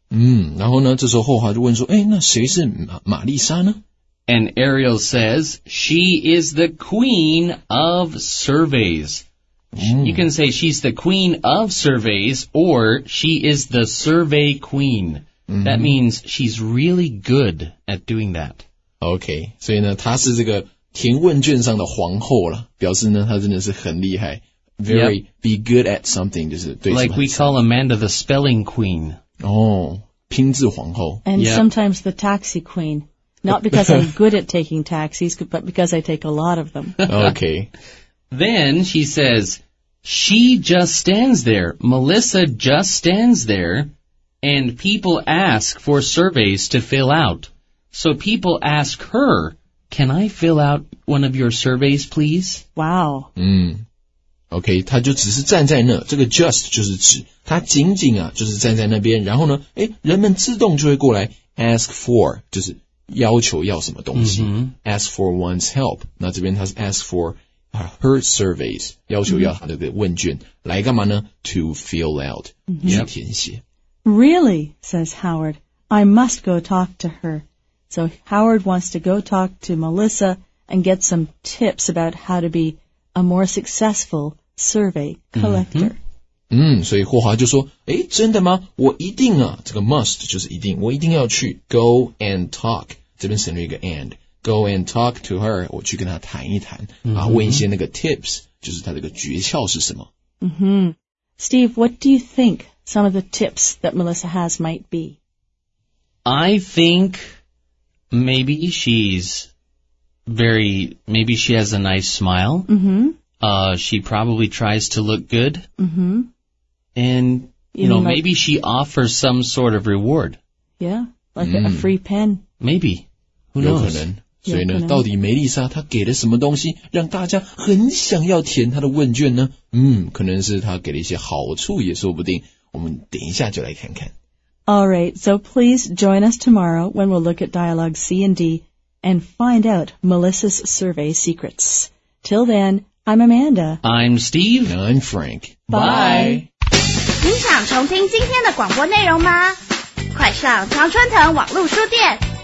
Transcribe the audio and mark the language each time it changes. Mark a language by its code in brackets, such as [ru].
[zh] 然后呢这时候霍华就问说诶那谁是玛丽莎呢 [en] And Ariel says, she is the queen of surveys. You can say she's the queen of surveys or she is the survey queen. That means she's really good at doing that. [zh] Okay, 所以呢她是这个填问卷上的皇后啦表示呢她真的是很厉害。 [en] Very,、 yep. be good at something, [zh] 就是对。 [en] Like we call Amanda the spelling queen. [zh] Oh, 拼字皇后。 [en] And、yep. sometimes the taxi queen. Not because I'm good at taking taxis, but because I take a lot of them. Okay. Then she says, she just stands there. Melissa just stands there. And people ask for surveys to fill out. So people ask her, can I fill out one of your surveys, please? Wow. [zh] Okay, 她就只是站在那。这个 just 就是指。她仅仅啊就是站在那边。然后呢诶人们自动就会过来 ask for, 就是。要求要什么东西、 mm-hmm. [en] ask for one's help [zh] 那这边他是 [en] ask for her surveys [zh] 要求要他的问卷、mm-hmm. 来干嘛呢 [en] to fill out、 [zh] mm-hmm. 去填写 [en] Really? Says Howard I must go talk to her So Howard wants to go talk to Melissa and get some tips about how to be a more successful survey collector、 mm-hmm. [zh] 所以霍华就说诶真的吗我一定啊这个 must 就是一定我一定要去 go and talk 这边省略一个 and [en] go and talk to her [zh] 我去跟她谈一谈、mm-hmm. 啊问一些那个 tips 就是她这个诀窍是什么、 mm-hmm. [en] Steve what do you think some of the tips that Melissa has might be I think maybe she's very maybe she has a nice smile、 mm-hmm. She probably tries to look good、 mm-hmm. andYou know, like, maybe she offers some sort of reward. Yeah, like a free pen. Maybe. Who knows? [zh] 有可能。所以呢到底梅丽莎她给了什么东西让大家很想要填她的问卷呢可能是她给了一些好处也说不定。我们等一下就来看看。 [en] Alright, so please join us tomorrow when we'll look at dialogue C and D and find out Melissa's survey secrets. Till then, I'm Amanda. I'm Steve. And I'm Frank. Bye! Bye. [zh] 你想重听今天的广播内容吗？快上常春藤网络书店，